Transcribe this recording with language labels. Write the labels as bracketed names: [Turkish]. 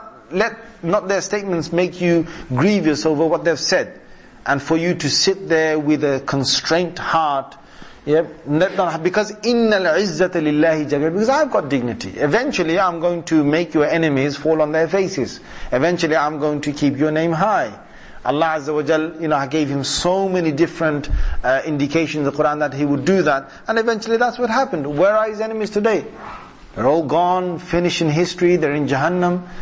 [English] Let not their statements make you grievous over what they've said, and for you to sit there with a constrained heart. Yep. Let not, because [Arabic] إِنَّ الْعِزَّةَ لِلَّهِ جَمِيعًا. [English] Because I've got dignity. Eventually I'm going to make your enemies fall on their faces. Eventually I'm going to keep your name high. Allah Azza wa Jal, you know, gave him so many different indications in the Quran that he would do that. And eventually that's what happened. Where are his enemies today? They're all gone, finished in history, they're in Jahannam.